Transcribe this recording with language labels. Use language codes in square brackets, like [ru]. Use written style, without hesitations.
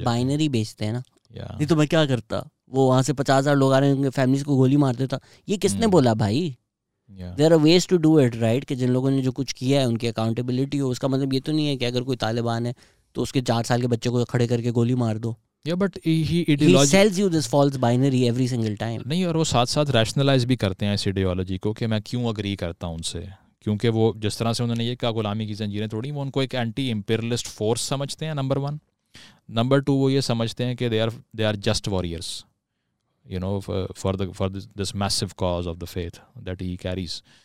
[ur] ہیں. بائنری بیچتے ہیں نا. نہیں تو میں کیا کرتا, وہ وہاں سے 50,000 لوگ آ رہے ہیں, فیملیز کو گولی مار دیتا. یہ کس نے بولا بھائی؟ [en] there are ways to do it right, [ur] کہ جن لوگوں نے جو کچھ کیا ہے ان کی اکاؤنٹیبلٹی ہو. اس کا مطلب یہ تو نہیں ہے کہ اگر کوئی طالبان ہے تو اس کے 4 سال کے بچے کو کھڑے کر کے گولی مار دو. [en] Yeah, but he sells you this false binary every single time. [ur] نہیں, اور وہ ساتھ ساتھ ریشنلائز بھی کرتے ہیں اس ایڈیالوجی کو کہ میں کیوں اگری کرتا ہوں ان سے, کیونکہ وہ جس طرح سے انہوں نے یہ کہا غلامی کی زنجیریں توڑی, وہ ان کو ایک اینٹی امپیریلسٹ فورس سمجھتے ہیں نمبر ون. [en] number two, [ur] وہ یہ سمجھتے ہیں کہ [en] They are just warriors, you know, for this massive cause of the faith that he carries.